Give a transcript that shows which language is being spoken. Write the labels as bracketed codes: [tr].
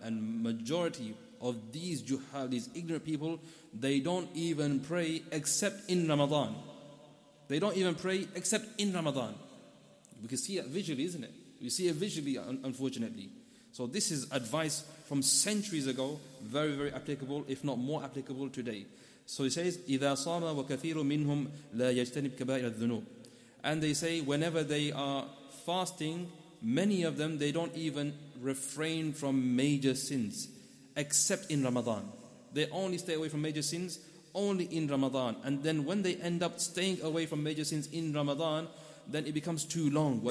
[en] And majority of these juhal, these ignorant people, they don't even pray except in Ramadan. They don't even pray except in Ramadan. We can see it visually, isn't it? We see it visually, unfortunately. So this is advice from centuries ago, very, very applicable, if not more applicable today. So he says, [ar] إِذَا صَامَ وَكَثِيرٌ مِنْهُمْ لَا يَجْتَنِبْ كَبَائِرَ الذُّنُوبِ. [en] And they say, whenever they are fasting, many of them, they don't even refrain from major sins, except in Ramadan. They only stay away from major sins, only in Ramadan. And then when they end up staying away from major sins in Ramadan, then it becomes too long.